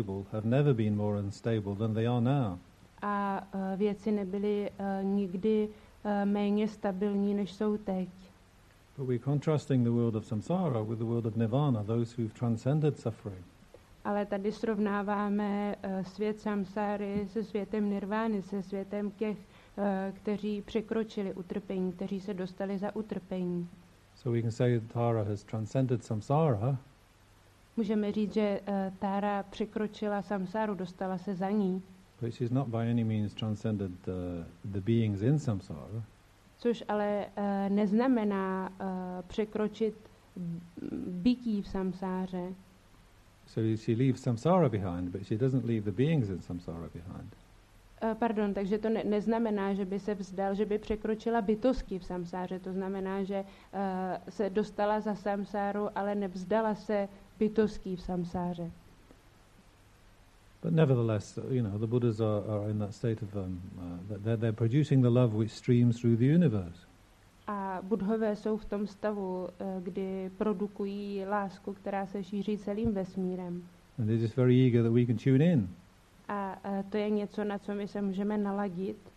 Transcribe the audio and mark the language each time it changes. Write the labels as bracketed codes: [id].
[en] Things have never been more unstable than they are now. [cs] A věci nebyly nikdy méně stabilní, než jsou teď. [en] But we're contrasting the world of samsara with the world of nirvana, those who've transcended suffering. [cs] Ale tady srovnáváme svět samsáry se světem nirvány, se světem těch, kteří překročili utrpení, kteří se dostali za utrpení. [en] So we can say that Tara has transcended samsara. [cs] Můžeme říct, že Tara překročila samsáru, dostala se za ní. [en] But she's not by any means transcended the beings in samsara. [cs] Což ale neznamená překročit bytí v samsáře. [en] So she leaves samsara behind, but she doesn't leave the beings in samsara behind. [cs] Pardon, takže to neznamená, že by se vzdal, že by překročila bytosti v samsáře. To znamená, že se dostala za samsáru, ale nevzdala se bytosti v samsáře. [en] But nevertheless, the Buddhas are in that state of they're producing the love which streams through the universe. [cs] A buddhové jsou v tom stavu, kdy produkují lásku, která se šíří celým vesmírem. [en] And they're just very eager that we can tune in. [cs] A to je něco, na co my se můžeme naladit.